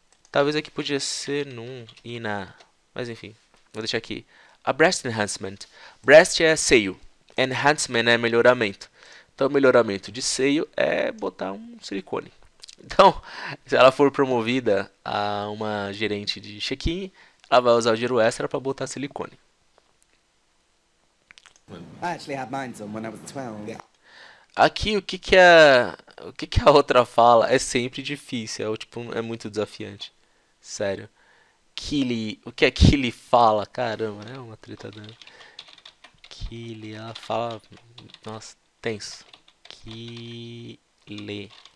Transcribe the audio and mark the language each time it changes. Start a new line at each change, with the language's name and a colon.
Portuguese: Talvez aqui podia ser num e na. Mas enfim, vou deixar aqui.
English: A breast enhancement.
Portuguese: Breast é seio. Enhancement é melhoramento. Então, melhoramento de seio é botar um silicone. Então, se ela for promovida a uma gerente de check-in, ela vai usar o dinheiro extra para botar silicone.
English: I actually had mine done when I was 12.
Portuguese: Aqui o que que a outra fala? É sempre difícil, é muito desafiante. Sério. Killy, o que é que ele fala? Caramba, é uma treta dando. Killy, ela fala. Nossa, tenso. Killy.